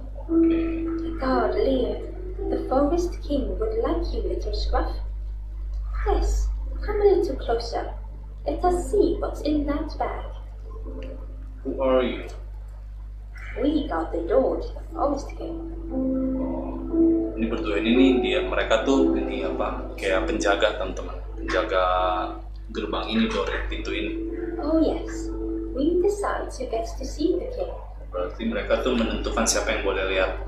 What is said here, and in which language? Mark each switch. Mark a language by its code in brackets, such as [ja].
[en] Okay. Guard leered. The forest king would like you, little scruff. Yes, come a little closer. Let us see what's in that bag. Who are you? We guard the lord, the forest king. [id] Oh, ini berdua ini dia, mereka tuh ini apa? Kayak penjaga teman-teman, penjaga gerbang ini, door, pintu ini. [en] Oh yes, we decide who gets to see the king. [id] Berarti mereka tuh menentukan siapa yang boleh lihat